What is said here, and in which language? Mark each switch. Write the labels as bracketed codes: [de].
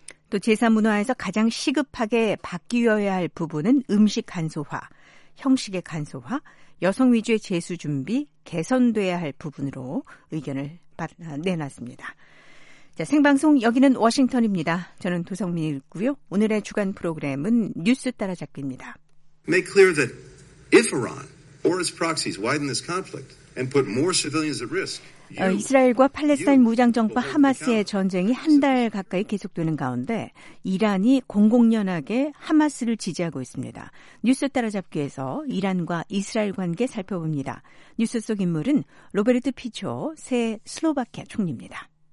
[ko] 또 제사 문화에서 가장 시급하게 바뀌어야 할 부분은 음식 간소화, 형식의 간소화, 여성 위주의 제수 준비, 개선돼야 할 부분으로 의견을 내놨습니다. 자, 생방송 여기는 워싱턴입니다. 저는 도성민이고요. 오늘의 주간 프로그램은 뉴스 따라잡기입니다. [en] Make clear that if Iran or its proxies widen this conflict and put more civilians at risk, [ko] 이스라엘과 팔레스타인 무장정파 하마스의 전쟁이 한 달 가까이 계속되는 가운데 이란이 공공연하게 하마스를 지지하고 있습니다. 뉴스 따라잡기에서 이란과 이스라엘 관계 살펴봅니다. 뉴스 속 인물은 로베르트 피초 새 슬로바키아 총리입니다.